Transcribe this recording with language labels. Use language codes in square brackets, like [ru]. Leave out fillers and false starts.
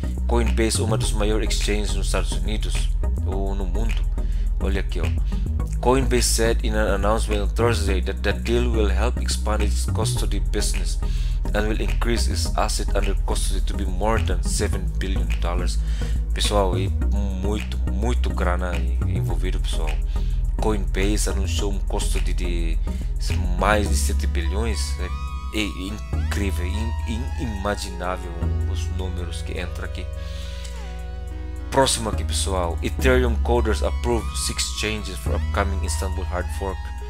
[pt] Coinbase, uma dos maiores exchanges nos Estados Unidos ou no mundo. Olha aqui, ó. [en] Coinbase said in an announcement on Thursday that the deal will help expand its custody business and will increase its asset under custody to be more than $7 billion. [pt] Pessoal, e muito, muito grana envolvido, pessoal. Coinbase anunciou um custody de mais de 7 bilhões. É incrível, inimaginável os números que entram aqui. Próximo aqui, pessoal. [en] Ethereum coders approve 6 changes for upcoming Istanbul hard fork.